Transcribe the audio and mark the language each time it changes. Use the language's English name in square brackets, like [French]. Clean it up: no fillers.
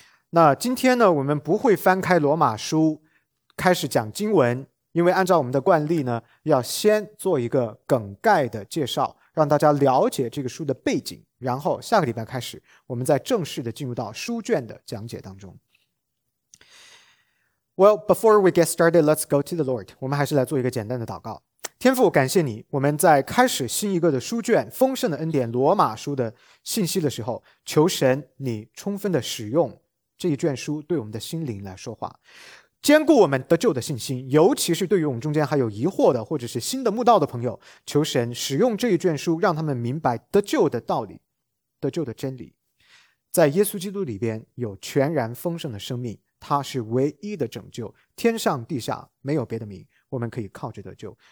[Chinese] 那今天呢，我们不会翻开罗马书开始讲经文，因为按照我们的惯例呢，要先做一个梗概的介绍，让大家了解这个书的背景，然后下个礼拜开始，我们再正式的进入到书卷的讲解当中。 [English] Well, before we get started, let's go to the Lord. [Chinese] 我们还是来做一个简单的祷告。天父，感谢你，我们在开始新一个的书卷，丰盛的恩典，罗马书的信息的时候，求神你充分的使用这一卷书对我们的心灵来说话，坚固我们得救的信心，尤其是对于我们中间还有疑惑的或者是新的慕道的朋友，求神使用这一卷书，让他们明白得救的道理，得救的真理，在耶稣基督里边有全然丰盛的生命，他是唯一的拯救，天上地下没有别的名，我们可以靠着得救。